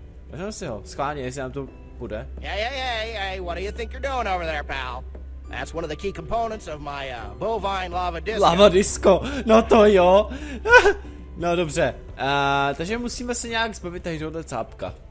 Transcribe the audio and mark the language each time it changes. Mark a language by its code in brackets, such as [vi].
[cs] Vezmeme si ho, schválně, jestli nám to půjde. [en] Hey, what do you think you're doing over there, pal? That's one of the key components of my, bovine lava disco. [cs] Lava disco, no to jo. No dobře, takže musíme se nějak zbavit tady tohoto cápka.